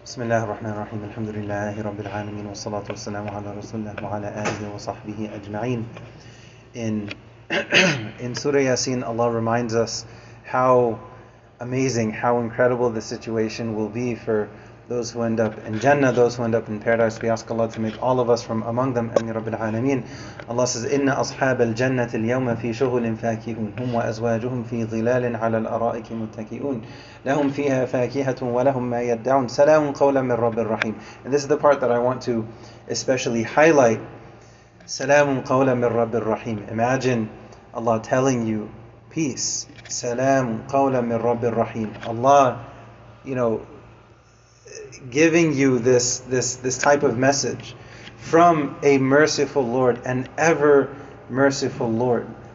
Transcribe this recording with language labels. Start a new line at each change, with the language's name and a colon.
Arabic: بسم الله الرحمن الرحيم، الحمد لله رب العالمين، والصلاة والسلام على رسول الله وعلى آله وصحبه أجمعين.
English: In Surah Yasin, Allah reminds us how amazing, how incredible the situation will be for those who end up in Jannah, those who end up in Paradise. We ask Allah to make all of us from among them. Amin Rabbil Alameen. Allah says,
Arabic: Inna أصحاب الجنة اليوم في شغل فاكهون هم وأزواجهم في ظلال على الأرائك متكئون لهم فيها فاكهة ولهم ما يدعون سلام قولا من رب الرحيم.
English: And this is the part that I want to especially highlight.
Arabic: سلام قولا من رب الرحيم.
English: Imagine Allah telling you, peace.
Arabic: سلام قولا من رب الرحيم.
English: Allah, you know, giving you this type of message from a merciful Lord, an ever merciful Lord.